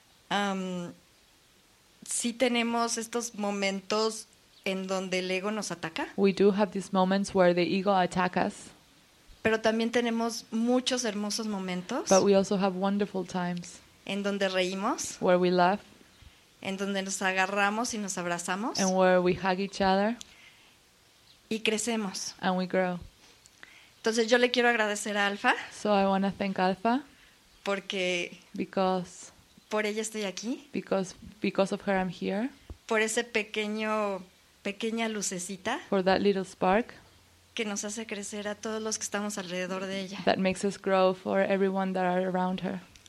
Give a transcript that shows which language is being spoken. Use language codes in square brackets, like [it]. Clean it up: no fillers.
[es] Sí tenemos estos momentos en donde el ego nos ataca. [en] We do have these moments where the ego attacks us. [es] Pero también tenemos muchos hermosos momentos. [en] But we also have wonderful times. [es] En donde reímos. [en] Where we laugh. [es] En donde nos agarramos y nos abrazamos. [en] And where we hug each other. [es] Y crecemos. [en] And we grow. [es] Entonces yo le quiero agradecer a Alpha. [en] So I want to thank Alpha. [es] Porque. [en] Because. [es] Por ella estoy aquí. [en] Because of her I'm here. [es] Por ese pequeña lucecita. [en] For that little spark. [es] Que nos hace crecer a todos los que estamos alrededor de ella. [en] That makes us grow for everyone that are around her.